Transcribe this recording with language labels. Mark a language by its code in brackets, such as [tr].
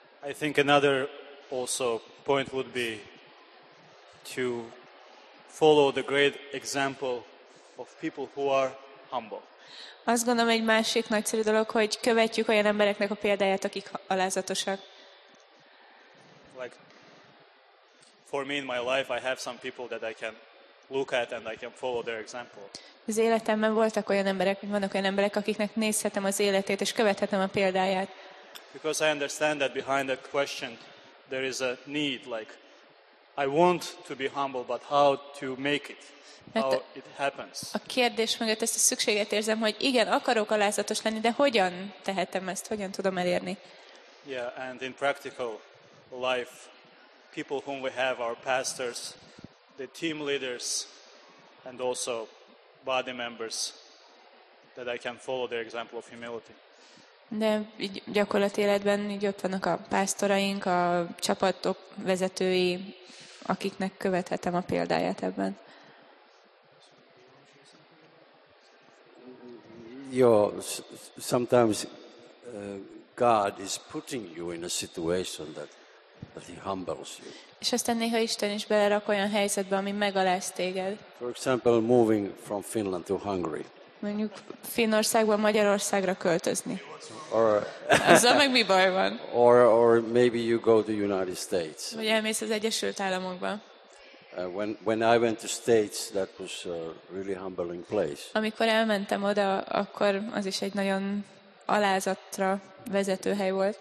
[en] I think another also point would be to follow the great example of people who are humble. [hu] Azt gondolom, egy másik nagyszerű dolog, hogy követjük olyan embereknek a példáját, akik alázatosak. [en] Like for me in my life I have some people that I can look at and I can follow their example. [hu] Az életemben voltak olyan emberek, vannak olyan emberek, akiknek nézhetem az életét és követhetem a példáját. [en] Because I understand that behind that question there is a need, like I want to be humble, but how to make it, how it happens. [hu] A kérdés mögött ezt a szükséget érzem, hogy igen, akarok alázatos lenni, de hogyan tehetem ezt, hogyan tudom elérni? [en] Yeah, and in practical life, people whom we have, our pastors, the team leaders, and also body members, that I can follow their example of humility. [hu] De így gyakorlati életben így ott vannak a pásztoraink, a csapatok vezetői, akiknek követhetem a példáját ebben. [en] Jó, sometimes God is putting you in a situation that he humbles you. [hu] És aztán néha Isten is belerak olyan helyzetbe, ami megaláz téged. [en] For example, moving from Finland to Hungary. [hu] Mondjuk Finnországban Magyarországra költözni. [en] Or, [hu] azzal meg mi baj van? [en] Or maybe you go to United States. [hu] Vagy elmész az Egyesült Államokba. [en] When I went to States, that was a really humbling place. [hu] Amikor elmentem oda, akkor az is egy nagyon alázatra vezető hely volt.